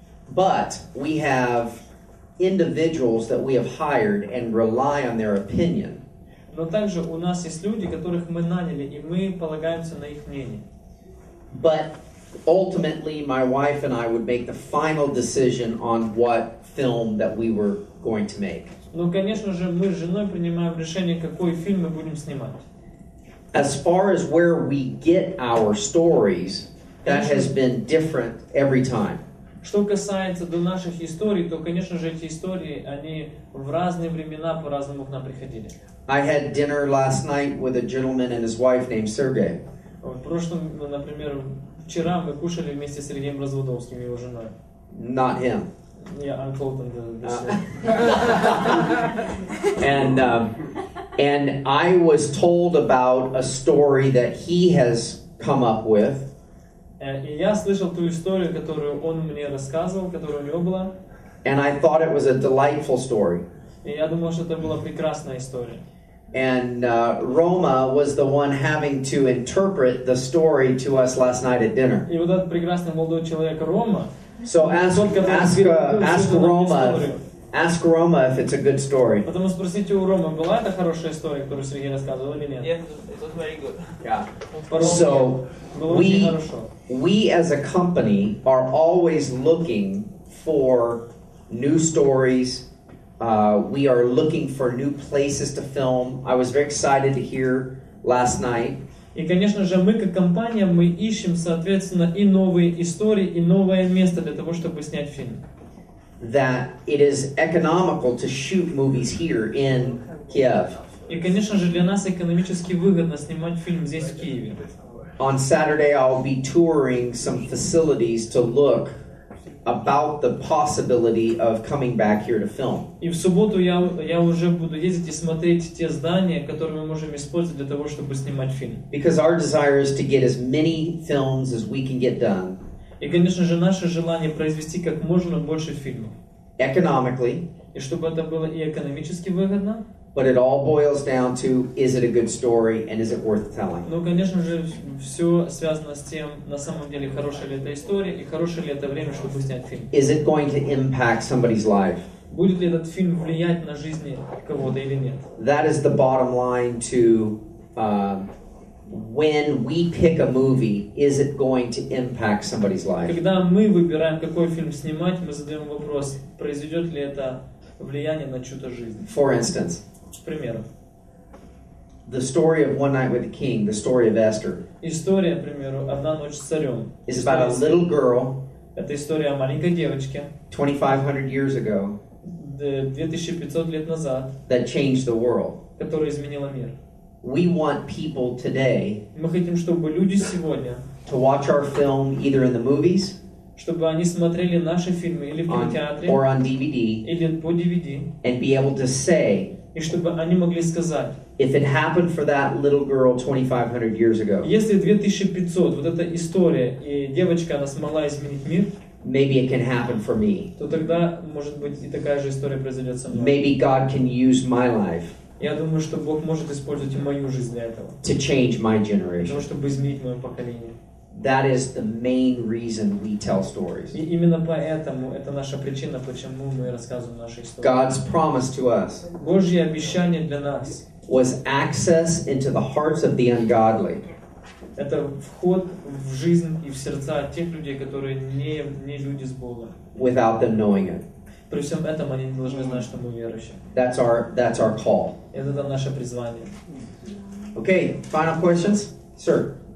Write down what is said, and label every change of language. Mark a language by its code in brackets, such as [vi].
[en] But we have individuals that we have hired and rely on their opinion. [ru] Но также у нас есть люди, которых мы наняли, и мы полагаемся на их мнение. [en] But ultimately, my wife and I would make the final decision on what film that we were going to make. [ru] Но, конечно же, мы с женой принимаем решение, какой фильм мы будем снимать. [en] As far as where we get our stories, that has been different every time. [ru] Что касается до наших историй, то, конечно же, эти истории, они в разные времена по-разному к нам приходили. [en] I had dinner last night with a gentleman and his wife named Sergey. [ru] Например, вчера мы кушали вместе с Сергеем Разводовским и его женой. [en] Not him. Yeah, I'm Colton. And I was told about a story that he has come up with. [ru] И я слышал ту историю, которую он мне рассказывал, которая у него была. [en] And I thought it was a delightful story. [ru] И я думал, что это была прекрасная история. [en] And Roma was the one having to interpret the story to us last night at dinner. [ru] И вот этот прекрасный молодой человек Рома. [en] So ask Roma if it's a good story. [ru] Потому спросите у Ромы, была это хорошая история, которую Сергей рассказывал или нет? [en] Yeah, it was very good. Yeah. So we as a company are always looking for new stories. We are looking for new places to film. I was very excited to hear last night. [ru] И, конечно же, мы как компания, мы ищем, соответственно, и новые истории, и новое место для того, чтобы снять фильм. [en] That it is economical to shoot movies here in Kiev. [ru] И, конечно же, для нас экономически выгодно снимать фильм здесь, в Киеве. [en] On Saturday, I'll be touring some facilities to look about the possibility of coming back here to film. [ru] И в субботу я уже буду ездить и смотреть те здания, которые мы можем использовать для того, чтобы снимать фильм. [en] Because our desire is to get as many films as we can get done. [ru] И, конечно же, наше желание произвести как можно больше фильмов. [en] Economically. [ru] И чтобы это было и экономически выгодно. [en] But it all boils down to, is it a good story and is it worth telling? [ru] Ну, конечно же, все связано с тем, на самом деле, хорошая ли эта история и хорошее ли это время, чтобы снять фильм. [en] Is it going to impact somebody's life? [ru] Будет ли этот фильм влиять на жизни кого-то или нет? [en] That is the bottom line to when we pick a movie, is it going to impact somebody's life? [ru] Когда мы выбираем, какой фильм снимать, мы задаем вопрос, произведет ли это влияние на чью-то жизнь. [en] For instance. [ru] Примеру. [en] the story of One Night with the King, the story of Esther. [ru] История, к примеру, Одна ночь с царём. [en] Is about a little girl. [ru] Это история о маленькой девочке. [en] 2500 years ago. [ru] 2500 лет назад. [en] That changed the world. [ru] Которая изменила мир. [en] We want people today. [ru] Мы хотим, чтобы люди сегодня. [en] To watch our film either in the movies. [ru] Чтобы они смотрели наши фильмы или в кинотеатре. [en] Or on DVD. [ru] Или по DVD. [en] And be able to say. [ru] И чтобы они могли сказать. [en] If it happened for that little girl 2500 years ago. [ru] Если 2500, вот эта история, и девочка, она смогла изменить мир. [en] Maybe it can happen for me. [ru] То тогда, может быть, и такая же история произойдет со мной. [en] Maybe God can use my life. [ru] Я думаю, что Бог может использовать и мою жизнь для этого. [en] To change my generation. [ru] Для того, чтобы изменить мое поколение. [en] That is the main reason we tell stories. [ru] И именно поэтому это наша причина, почему мы рассказываем наши истории. [en] God's promise to us. [ru] Божье обещание для нас. [en] Was access into the hearts of the ungodly. [ru] Это вход в жизнь и в сердца тех людей, которые не люди с Богом. [en] Without them knowing it. [ru] При всем этом они не должны знать, что мы верующие. [en] That's our call. [ru] Это наше призвание. [en] Okay, final questions, sir.